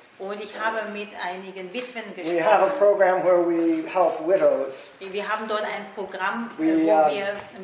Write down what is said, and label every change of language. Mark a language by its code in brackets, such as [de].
[de] Und ich habe mit einigen Witwen gesprochen. [en] We have a program where we help widows. [de] Wir haben dort ein Programm, wo wir